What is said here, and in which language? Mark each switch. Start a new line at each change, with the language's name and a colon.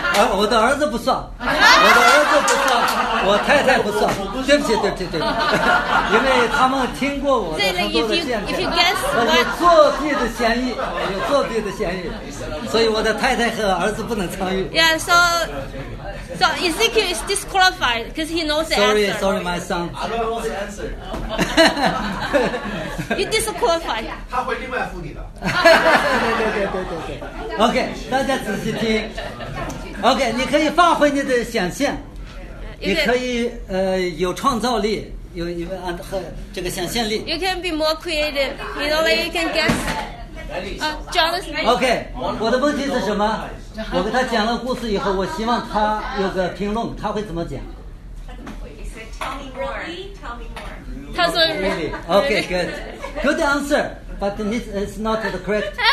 Chinese: 我的儿子不算，我的儿子不算，我太太不算。对不起，对对对，因为他们听过我的很多的见证，有作弊的嫌疑，有作弊的嫌疑，所以我的太太和儿子不能参与。
English: Yeah, so Ezekiel is disqualified because he knows the answer. Sorry, my son. I don't know the answer. You disqualified.
Chinese: 他会另外付你的。对对对对对 OK 大家仔细听 OK 你可以发挥你的想象你可以有创造力有这个想象力
English: You can be more creative You know that you can guess Jonathan
Chinese: OK 我的问题是什么我给他讲了故事以后我希望他有个评论他会怎么讲他怎么回
English: Tell me more
Chinese: 他说
English: really? OK good Good answerBut this is not the correct.